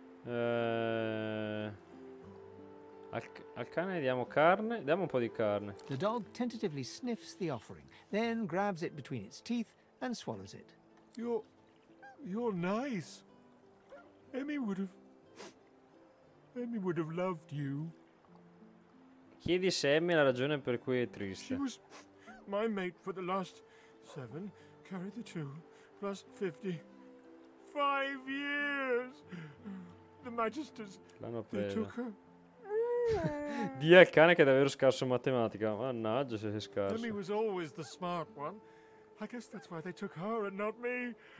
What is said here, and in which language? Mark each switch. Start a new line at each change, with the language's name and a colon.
Italian: Al cane diamo carne, diamo un po' di carne.
English: The dog tentatively sniffs the offering, then grabs it between its teeth and swallows it. You're nice. Emmy would have loved you.
Italian: Chiedi se Emmy la ragione per cui è triste.
English: She was my mate for the last 7, carry the 2, plus 50. 5 years! The Magisters.
Italian: L'hanno presa. Dì al cane che è davvero scarso in matematica. Mannaggia se sei scarso.
English: Emmy was always the smart one. I guess that's why they took her and not me.